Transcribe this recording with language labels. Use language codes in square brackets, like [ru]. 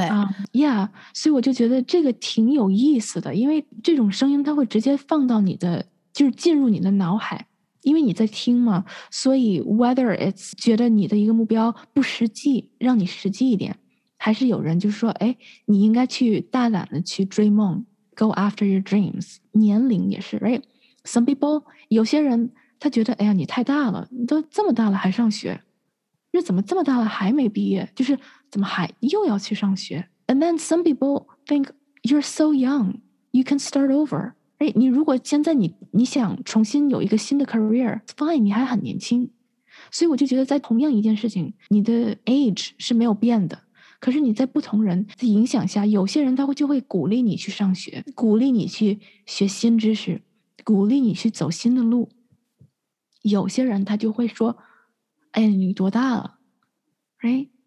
[zh] 啊、yeah， 所以我就觉得这个挺有意思的，因为这种声音它会直接放到你的，就是进入你的脑海，因为你在听嘛，所以 [en] whether it's [zh] 觉得你的一个目标不实际，让你实际一点，还是有人就说哎，你应该去大胆的去追梦， [en] Go after your dreams。 [zh] 年龄也是 [en] right， some people [zh] 有些人他觉得哎呀你太大了，你都这么大了还上学，你怎么这么大了还没毕业，就是怎么还又要去上学。 [en] And then some people think you're so young you can start over right， [zh] 你如果现在你想重新有一个新的 [en] career fine， [zh] 你还很年轻。所以我就觉得在同样一件事情，你的 age 是没有变的，可是你在不同人的影响下，有些人他会就会鼓励你去上学，鼓励你去学新知识，鼓励你去走新的路。有些人他就会说哎呀你多大了 right？